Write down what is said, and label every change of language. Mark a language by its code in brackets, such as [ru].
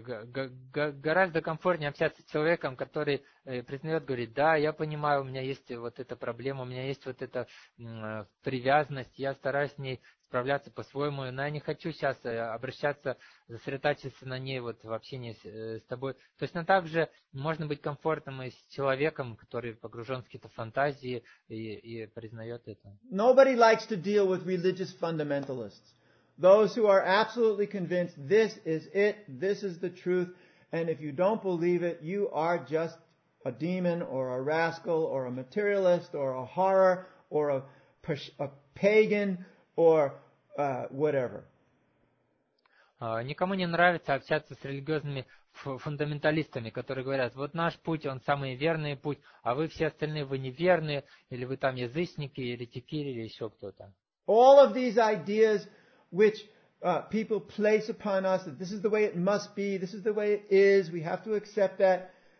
[ru] Гораздо комфортнее общаться с человеком, который признает, говорит, да, я понимаю, у меня есть вот эта проблема, у меня есть вот эта привязанность, я стараюсь с ней справляться по-своему, но я не хочу сейчас обращаться, сосредотачиваться на ней вот в общении с тобой. Точно так же можно быть комфортным и с человеком, который погружен в какие-то фантазии и признает это. [en] Nobody likes to deal with religious fundamentalists. Those who are absolutely convinced this is it, this is the truth, and if you don't believe it, you are just a demon or a rascal or a materialist or a horror or a pagan or whatever. [ru] Никому не нравится общаться с религиозными фундаменталистами, которые говорят, вот наш путь, он самый верный путь, а вы все остальные, вы неверные, или вы там язычники, или тикири, или еще кто-то. [en] All of these ideas which people place upon us, that this is the way it must be, this is the way it is, we have to accept that.